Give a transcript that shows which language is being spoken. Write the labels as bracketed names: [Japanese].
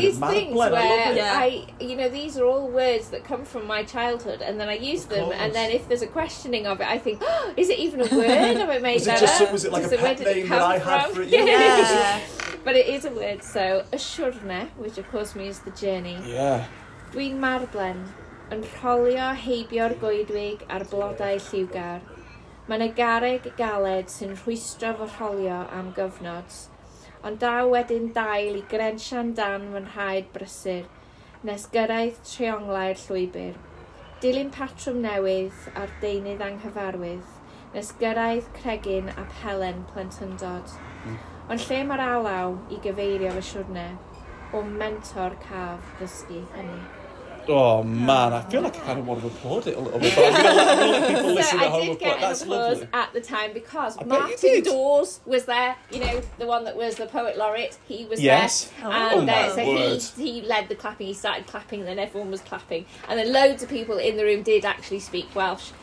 [English] This is one of these things where these are all words that come from my childhood, and then I use them, and then if there's a questioning of it, I think, oh, is it even a word? Have I made that up? Was it like a pet name that I had for it? Yeah. But it is a word, so ashwrna, which of course means the journey. Yeah. [Welsh] Dwi'n marblen, yn rholio heibio'r goedwig ar blodau lliwgar. Mae'n y garreg galed sy'n rhwystro fy rholio am gyfnod, ond daw wedyn dael i grensian dan fy nhraed brysur, nes gyrraedd trionglau'r llwybr. Dilyn patrwm newydd ar deunydd anghyfarwydd, nes gyrraedd cregin a pelen plentyndod. Ond lle mae'r alaw i gyfeirio fy siwrne, o mentor caf ddysgu hynny. [English] Oh man, I feel like I kind of want to applaud it a little bit. I'm gonna let people listen so at home. I did get an applause lovely. At the time because I Martin Dawes was there, you know, the one that was the poet laureate. He was yes. there. Yes. So he led the clapping, he started clapping, and then everyone was clapping. And then loads of people in the room did actually speak Welsh.